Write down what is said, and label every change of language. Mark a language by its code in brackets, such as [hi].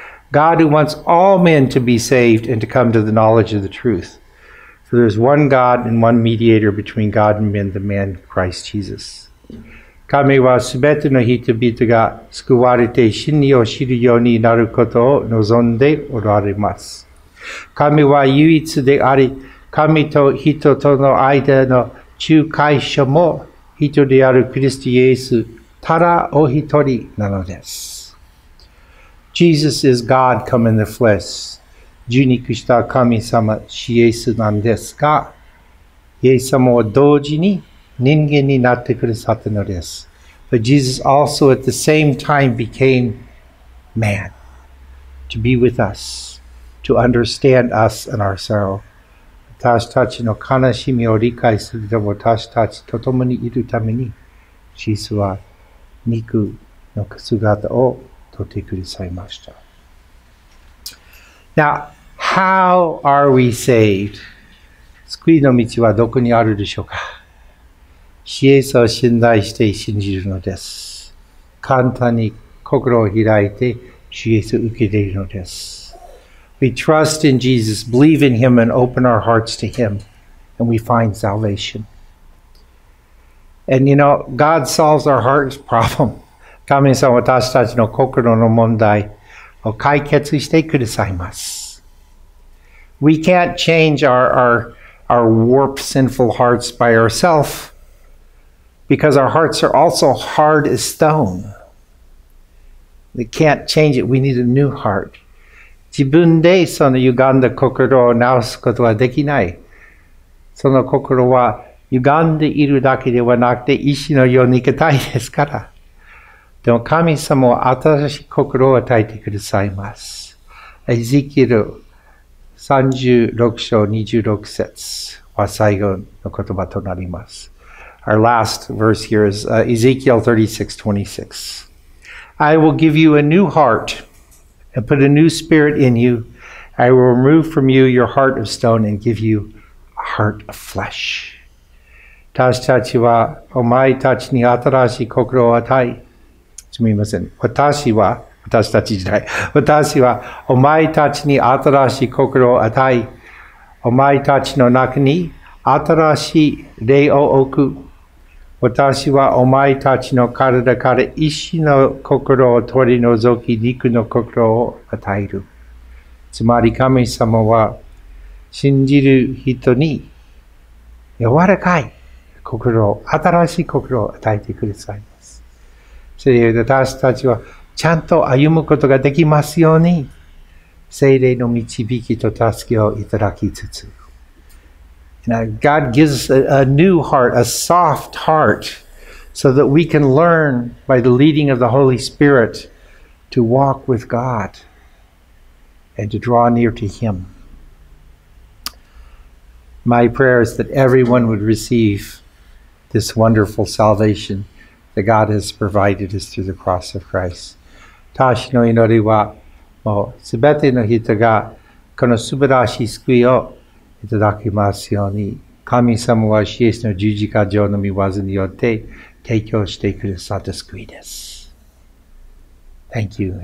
[en] God who wants all men to be saved and to come to the knowledge of the truth. For there is one God and one mediator between God and men, the man Christ Jesus. [ja] 神はすべての人々が救われて真理を知るようになることを望んでおられます。神は唯一であり、神と人との間の仲介者も人であるクリストイエス、ただお一人なのです。 [en] Jesus is God come in the flesh. [ja] 受肉した神様、主イエスなんですが、イエス様は同時に人間になってくださったのです。 [en] But Jesus also at the same time became man to be with us, to understand us and our sorrow. [ja] 私たちの悲しみを理解するでも私たちと共にいるために、イエスは肉の姿をとってくださいました。 [en] Now, how are we saved? [ja] 救いの道はどこにあるでしょうか?イエスを信頼して信じるのです。簡単に心を開いてイエスを受け入れるのです。 [en] We trust in Jesus, believe in Him, and open our hearts to Him, and we find salvation. And you know, God solves our heart's problem. [ja] 神様は私たちの心の問題を解決してくださいます。 [en] We can't change our warped, sinful hearts by ourselves, because our hearts are also hard as stone. We can't change it. We need a new heart. [ja] 自分でその歪んだ心を直すことはできない。その心は歪んでいるだけではなくて石のように硬いですから。でも神様は新しい心を与えてくださいます。エゼキエル36章26節は最後の言葉となります。 [en] Our last verse here is Ezekiel 36:26. I will give you a new heart. And put a new spirit in you. I will remove from you your heart of stone and give you a heart of flesh. [ja] 私たちはお前たちに新しい心を与え、すみません。私はお前たちに新しい心を与え、お前たちの中に新しい霊を置く。私はお前たちの体から石の心を取り除き、肉の心を与える。つまり神様は信じる人に柔らかい心を、新しい心を与えてくださいます。それで私たちはちゃんと歩むことができますように、聖霊の導きと助けをいただきつつ、 [en] Now, God gives us a new heart, a soft heart, so that we can learn by the leading of the Holy Spirit to walk with God and to draw near to Him. My prayer is that everyone would receive this wonderful salvation that God has provided us through the cross of Christ. [ja] 私の祈りは、もうすべての人がこの素晴らしい救いをいただきますように、神様は主イエスの十字架上の御業によって提供してくださった救いです。 [en] Thank you.